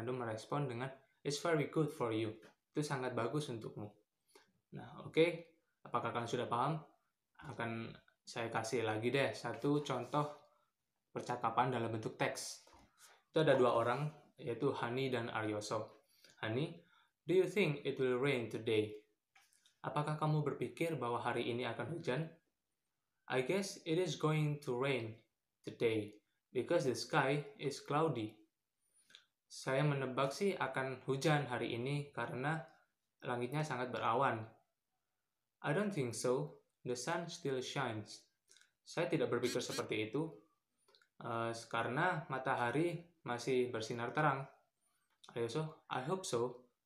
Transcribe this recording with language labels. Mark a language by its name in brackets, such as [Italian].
[Indonesian] Nando merespon dengan, it's very good for you. Itu sangat bagus untukmu. Nah, oke. Okay. Apakah kalian sudah paham? Akan saya kasih lagi deh satu contoh percakapan dalam bentuk teks. Itu ada dua orang, yaitu Hani dan Aryoso. [English] Hani, do you think it will rain today? [Indonesian] Apakah kamu berpikir bahwa hari ini akan hujan? [English] I guess it is going to rain today because the sky is cloudy. [Indonesian] Saya menebak sih akan hujan hari ini karena langitnya sangat berawan. I don't think so. The sun still shines. Saya tidak berpikir seperti itu. Karena matahari masih bersinar terang. Ayoso, I hope so.